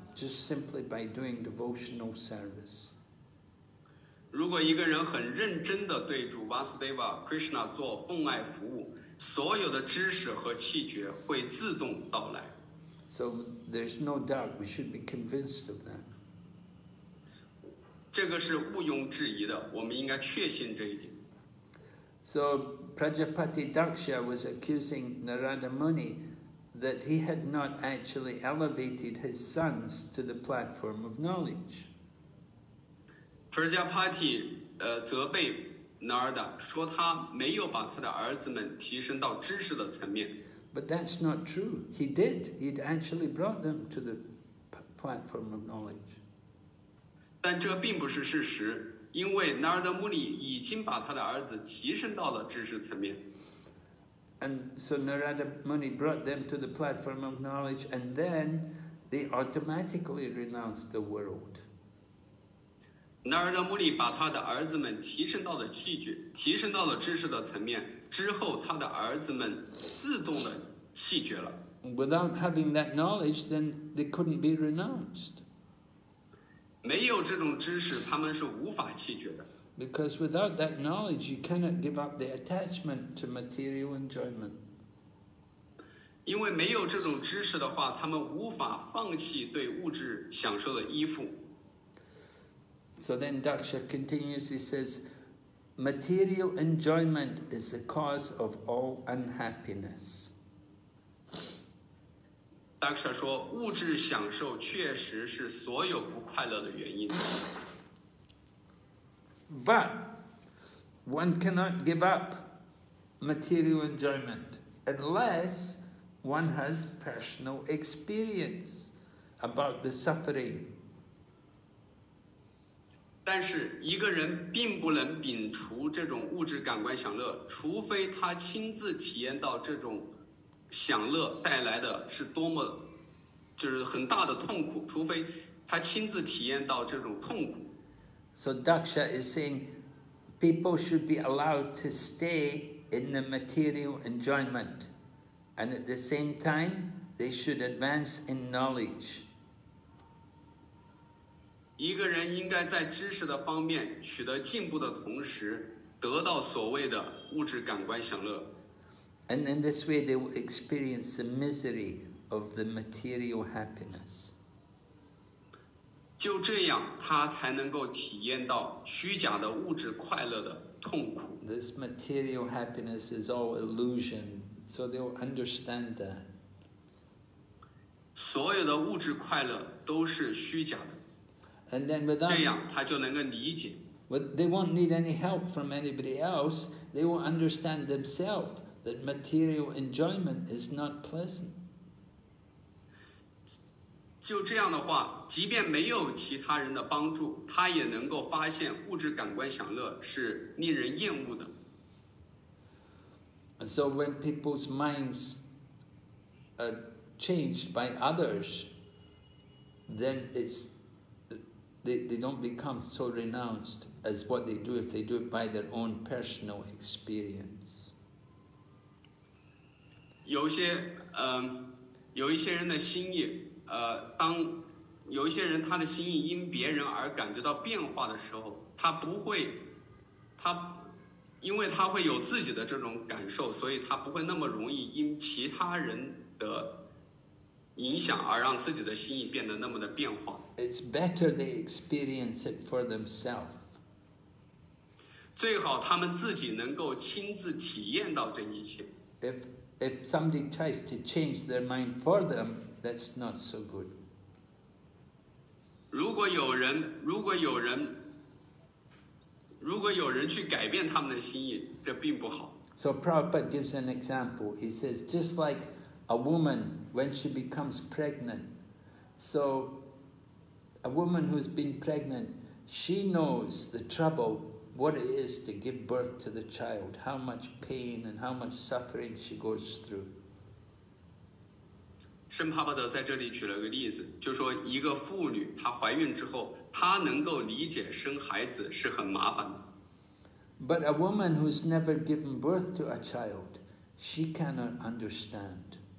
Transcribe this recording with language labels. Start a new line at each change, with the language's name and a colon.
English: just simply by doing devotional service.
Chinese: 如果一个人很认真地对主 Vasudeva Krishna 做奉爱服务，所有的知识和气诀会自动到来。
English: So there's no doubt we should be convinced of that.
Chinese: 这个是毋庸置疑的，我们应该确信这一点。
English: So Prajapati Daksha was accusing Narada Muni that he had not actually elevated his sons to the platform of knowledge.
Chinese: Prajapati 责备 Narada 说他没有把他的儿子们提升到知识的层面。
English: But that's not true. He did. He'd actually brought them to the platform of knowledge.
Chinese: 但这并不是事实。因为 Narada Muni 已经把他的儿子提升到了知识层面。
English: And so Narada Muni brought them to the platform of knowledge, and then they automatically renounced the world.
Chinese: Narada Muni 把他的儿子们提升到了气觉，提升到了知识的层面，之后他的儿子们自动的气觉了。
English: Without having that knowledge, then they couldn't be renounced.
Chinese: 没有这种知识，他们是无法弃绝的。
English: Because without that knowledge, you cannot give up the attachment to material enjoyment.
Chinese: 因为没有这种知识的话，他们无法放弃对物质享受的依附。
English: So then Daksha continues, he says, material enjoyment is the cause of all unhappiness.
Chinese: Daksha 说物质享受确实是所有不快乐的原因。
English: But one cannot give up material enjoyment unless one has personal experience about the suffering.
Chinese: 但是一个人并不能摒除这种物质感官享乐，除非他亲自体验到这种享乐带来的是多么就是很大的痛苦，除非他亲自体验到这种痛苦。
English: So Daksha is saying, people should be allowed to stay in the material enjoyment, and at the same time, they should advance in knowledge.
Chinese: 一个人应该在知识的方面取得进步的同时，得到所谓的物质感官享乐。
English: And in this way, they will experience the misery. Of the material happiness.
Chinese: 就这样，他才能够体验到虚假的物质快乐的痛苦。
English: This material happiness is all illusion, so they'll understand that.
Chinese: 所有的物质快乐都是虚假的。
English: And then without
Chinese: 这样，他就能够理解。
English: But they won't need any help from anybody else. They will understand themselves that material enjoyment is not pleasant.
Chinese: 就这样的话，即便没有其他人的帮助，他也能够发现物质感官享乐是令人厌恶的。
English: So when people's minds are changed by others, then it's they don't become so renounced as what they do if they do it by their own personal experience.
Chinese: 有一些人的心意。当有一些人他的心意因别人而感觉到变化的时候，他不会，他因为他会有自己的这种感受，所以他不会那么容易因其他人的影响而让自己的心意变得那么的变化。
English: It's better they experience it for themselves.
Chinese: 最好他们自己能够亲自体验到这一切。
English: If somebody tries to change their mind for them. That's not so good.
Chinese: 如果有人去改变他们的心意，这并不好。
English: So Prabhupada gives an example. He says, just like a woman when she becomes pregnant. So a woman who's been pregnant, she knows the trouble, what it is to give birth to the child, how much pain and how much suffering she goes through.
Chinese: 圣帕巴德在这里举了个例子，就说一个妇女她怀孕之后，她能够理解生孩子是很麻烦的。
English: But a woman who's never given birth to a child, she cannot understand.